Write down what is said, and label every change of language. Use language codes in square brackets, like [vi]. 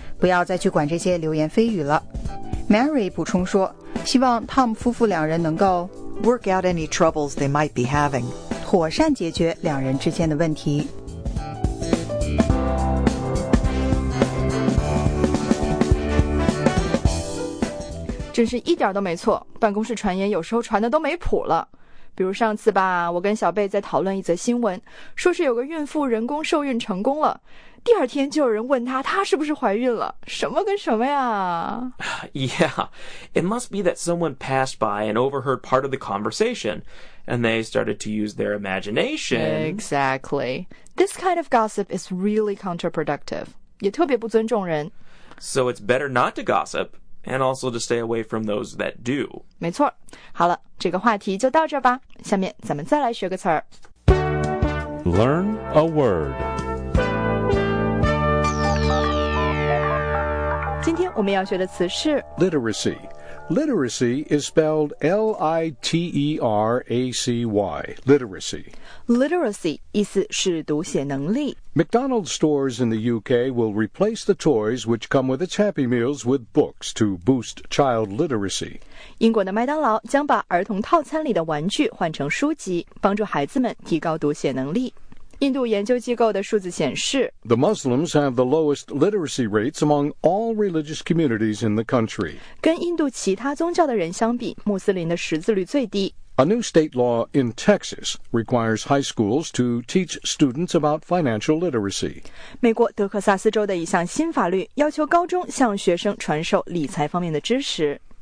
[zh] 不要再去管这些流言蜚语了。 Mary 补充说，希望 Tom 夫妇两人能够 [en] work out any troubles they might be having. [zh] 妥善解决两人之间的问题。真是一点都没错，办公室传言有时候传的都没谱了。比如上次吧，我跟小贝在讨论一则新闻，说是有个孕妇人工受孕成功了，第二天就有人问她，她是不是怀孕了，什么跟什么呀。 [en] Yeah, it must be that someone passed by and overheard part of the conversationAnd they started to use their imagination. Exactly. This kind of gossip is really counterproductive. [zh] 也特别不尊重人。 [en] So it's better not to gossip, and also to stay away from those that do. [zh] 没错。好了，这个话题就到这吧。下面咱们再来学个词儿。 [en] Learn a word. [zh] 今天我们要学的词是 [en] Literacy. Literacy is spelled L-I-T-E-R-A-C-Y, literacy. [zh] Literacy 意思是读写能力。 [en] McDonald's stores in the UK will replace the toys which come with its Happy Meals with books to boost child literacy. [zh] 英国的麦当劳将把儿童套餐里的玩具换成书籍，帮助孩子们提高读写能力。印度研究机构的数字显示， [en] The Muslims have the lowest literacy rates among all religious communities in the country. [zh] 跟印度其他宗教的人相比，穆斯林的识字率最低。 [en] A new state law in Texas requires high schools to teach students about financial literacy. [zh] 美国德克萨斯州的一项新法律要求高中向学生传授理财方面的知识。